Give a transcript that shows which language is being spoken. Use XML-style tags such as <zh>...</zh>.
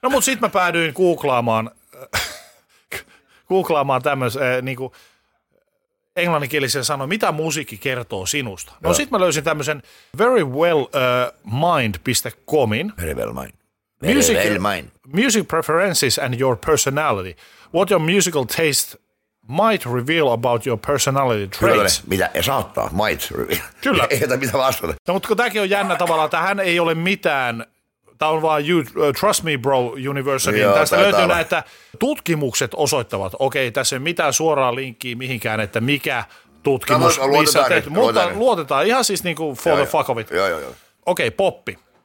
<fi>No, mutta sitten mä päädyin googlaamaan tämmöisen, niin kuin englanninkielisen sanoi, mitä musiikki kertoo sinusta. No, sitten mä löysin tämmöisen verywellmind.comin.</fi> <en>Very well mind. Very well mind. Music preferences and your personality. What your musical taste might reveal about your personality traits.</en> <fi>Kyllä, mitä saattaa,</fi> <en>might reveal.</en> <fi>Kyllä. Ei jätä mitään vastata. No, mutta kun tämäkin on jännä tavallaan, tähän ei ole mitään, tämä on vaan Trust Me Bro University. Joo, tästä löytyy näitä tutkimukset osoittavat, okei, tässä ei mitään suoraa linkkiä mihinkään, että mikä tutkimus, no, missä tehty. Luotetaan, mutta luotetaan ihan siis niin kuin</fi> <en>for the fuck of it.</en> <fi>Okei, poppi.</fi>